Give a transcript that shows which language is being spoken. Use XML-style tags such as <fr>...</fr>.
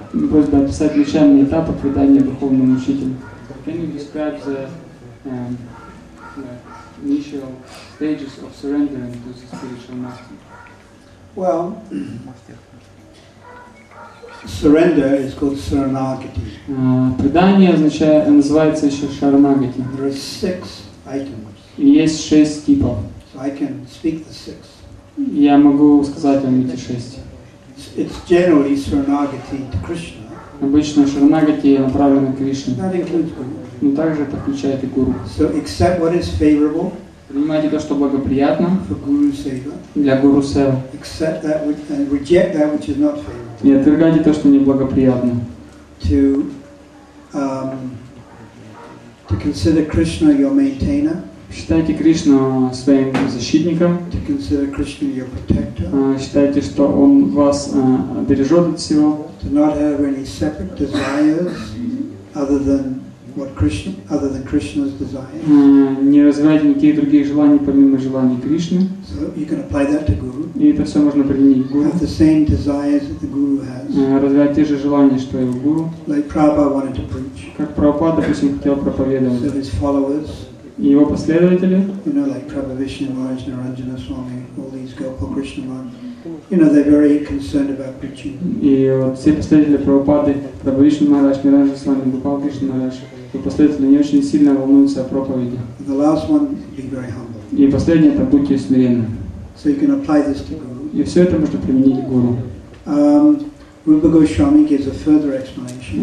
<ru>Просьба описать начальный этап отведения духовному учителю.</ru> <en>Can you describe the initial stages of surrendering to the spiritual master? Well, surrender is called sharanagati.</en> <ru>Предание называется еще шаранагати.</ru> <en>There are six items.</en> <ru>Есть шесть типов.</ru> <en>So I can speak the six.</en> <ru>Я могу сказать вам эти шесть.</ru> <en>It's generally sharanagati to Krishna.</en> <ru>Обычно шаранагати направлено к Кришне.</ru> <en>That includes guru.</en> <ru>Но также это включает и гуру.</ru> <en>So accept what is favorable.</en> <ru>Принимайте то, что благоприятно.</ru> <en>For guru seva.</en> <ru>Для гуру сева.</ru> <en>Accept that which and reject that which is not favorable.</en> <ru>И отвергайте то, что неблагоприятно.</ru> <en>To consider Krishna your maintainer.</en> <ru>Считайте Кришну своим защитником.</ru> <en>To consider Krishna your protector.</en> <ru>Считайте, что он вас бережет от всего.</ru> <en>To not have any separate desires other than what Krishna, other than Krishna's desires.</en> <ru>Не развивайте никаких других желаний помимо желаний Кришны.</ru> <en>So you can apply that to Guru.</en> <ru>И это все можно применить к Гуру.</ru> <en>Have the same desires that the Guru has.</en> <ru>Развивать те же желания, что и у Гуру.</ru> <en>Like Prabhupada wanted to preach.</en> <ru>Как Прабхупада, допустим, хотел проповедовать.</ru> <en>So his followers.</en> <ru>И его последователи,</ru> <en>you know, like Prabhupada, Swami, all these Gopal Krishna monks, you know, they're very concerned about preaching.</en> <ru>И вот все последователи Прабхупады, Прабхупада, Ниранджана Свами, Гопал Кришна, и последователи не очень сильно волнуются о проповеди.</ru> <en>The last one, be very humble.</en> <ru>И последнее, это будьте смиренны.</ru> <en>So you can apply this to Guru.</en> <ru>И все это можно применить к Гуру.</ru> <en>Rupa Goswami gives a further explanation.</en>